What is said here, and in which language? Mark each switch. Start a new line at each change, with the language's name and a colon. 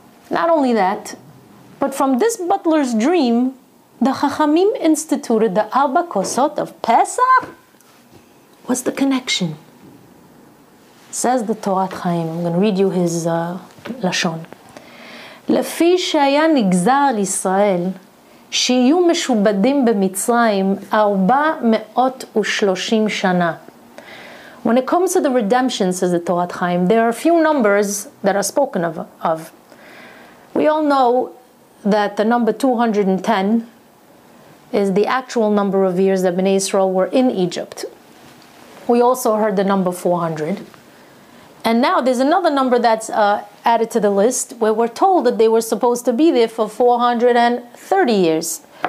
English: Not only that, but from this butler's dream, the Chachamim instituted the Arba Kosot of Pesach? What's the connection? Says the Torah Chaim, I'm going to read you his לשון.
Hebrew: לפי שהיה נגזר על ישראל שיהיו משובדים במצרים 430 שנה.
English: When it comes to the redemption, says the Torah Chaim, there are a few numbers that are spoken of. We all know that the number 210 is the actual number of years that Bnei Israel were in Egypt. We also heard the number 400. And now there's another number that's added to the list where we're told that they were supposed to be there for 430 years.